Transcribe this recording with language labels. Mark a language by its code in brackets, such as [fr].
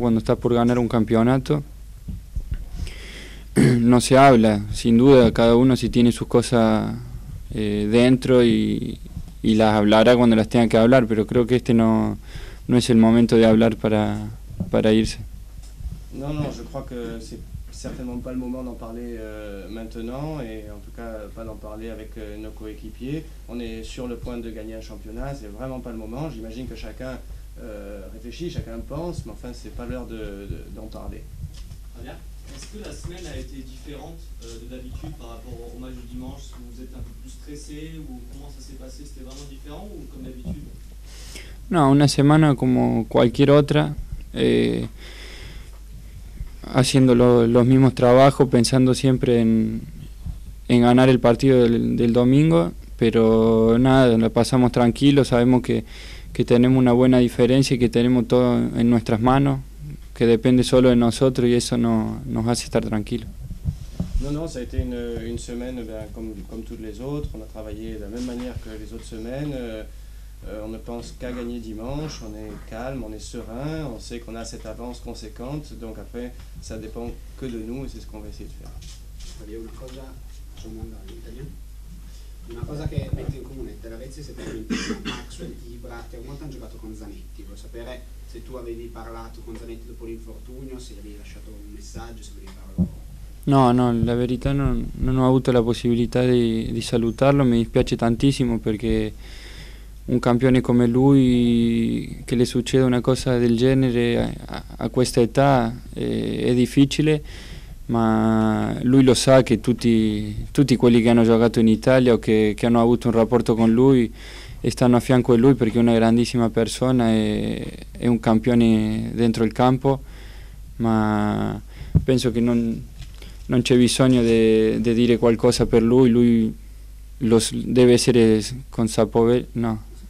[es] Cuando estás por ganar un campeonato no se habla, sin duda cada uno si tiene sus cosas dentro y las hablará cuando las tenga que hablar, pero creo que este no es el momento de hablar para irse. No, yo creo que sí. [fr] Certainement pas le moment d'en parler maintenant, et en tout cas pas d'en parler avec nos coéquipiers. On est sur le point de gagner un championnat, c'est vraiment pas le moment. J'imagine que chacun réfléchit, chacun pense, mais enfin c'est pas l'heure d'en parler. Très bien. Est-ce que la semaine a été différente de d'habitude par rapport au match du dimanche? Est-ce que vous êtes un peu plus stressé, ou comment ça s'est passé? C'était vraiment différent ou comme d'habitude? Non, une semaine comme cualquier autre. [es] Haciendo los mismos trabajos, pensando siempre en ganar el partido del domingo, pero nada, lo pasamos tranquilo, sabemos que tenemos una buena diferencia y que tenemos todo en nuestras manos, que depende solo de nosotros, y eso nos hace estar tranquilos. [fr] No, ça a été une semaine ben, comme toutes les autres, on a travaillé de la même manière que les autres semaines. On ne pense qu'à gagner dimanche, on est calme, on est serein, on sait qu'on a cette avance conséquente, donc après, ça dépend que de nous, et c'est ce qu'on va essayer de faire. Il y a une chose, je m'en vais en italien, une chose qui met en commun, de la Vezzi, c'est que Maxwell et Ibra, tu as un moment de jouer avec Zanetti, je veux savoir si tu avais parlé avec Zanetti après l'infortunio, si avais laissé un message, si avais parlé. [it] No, [fr] la vérité, [it] non ho avuto la possibilité de salutarlo, mi dispiace tantissimo, perché un campione come lui, che le succeda una cosa del genere a questa età, è difficile, ma lui lo sa che tutti quelli che hanno giocato in Italia o che hanno avuto un rapporto con lui stanno a fianco di lui, perché è una grandissima persona, è un campione dentro il campo, ma penso che non c'è bisogno di dire qualcosa per lui, lui lo deve essere consapevole, no.